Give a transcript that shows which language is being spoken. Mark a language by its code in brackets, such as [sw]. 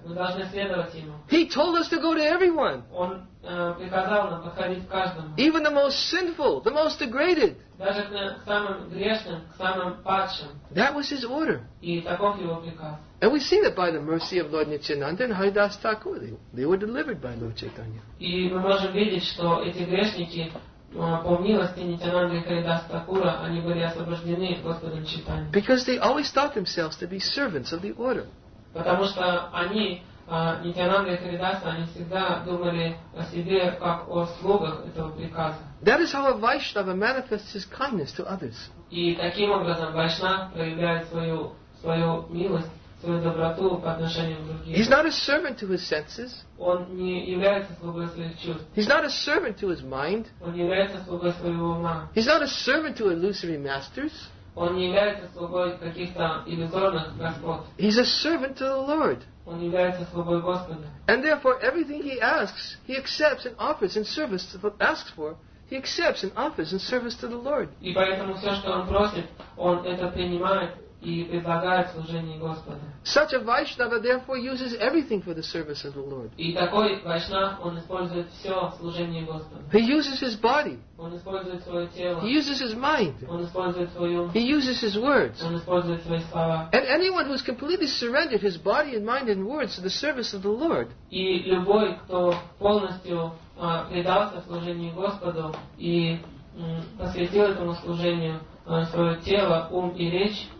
[ru] Мы должны следовать ему. [en] He told us to go to everyone. [ru] Он приказал нам подходить к каждому. [en] Even the most sinful, the most degraded. [ru] Даже к самым грешным, к самым падшим. [en] That was his order. [ru] И таков его приказ. [en] And we see that by the mercy of Lord Nityananda and Haridas Thakur, they were delivered by Lord Chaitanya. [ru] И мы можем видеть, что эти грешники по милости Нитянанды и Харидаса Такура они были освобождены Господом Чайтанья. [en] Because they always thought themselves to be servants of the order. [ru] Потому что они, Нитянанда и Харидаса, они всегда думали о себе как о слугах этого приказа. [en] That is how a Vaishnava manifests his kindness to others. [ru] И таким образом Вайшнав проявляет свою милость, свою доброту по отношению к другим. [en] He's not a servant to his senses. [ru] Он не является слугой своих чувств. [en] He's not a servant to his mind. [ru] Он не является слугой своего ума. [en] He's not a servant to illusory masters. [ru] Он не является слугой каких-то иллюзорных господ. [en] He's a servant to the Lord. [ru] Он является слугой Господа. [en] And therefore, everything he asks, he accepts and offers in service to what asks for. He accepts and offers in service to the Lord. [ru] И поэтому все, что он просит, он это принимает. И предлагает служение Господу. [en] Such a Vaishnava therefore uses everything for the service of the Lord. [ru] И такой Вайшнав, он использует все в служении Господу. [en] He uses his body. [ru] Он использует свое тело. [en] He uses his mind. [ru] Он использует свой ум. [en] He uses his words. [ru] Он использует свои слова. [en] And anyone who has completely surrendered his body and mind and words to the service of the Lord. [ru] И любой, кто полностью предался служению Господу и посвятил этому служению свое тело, ум и речь.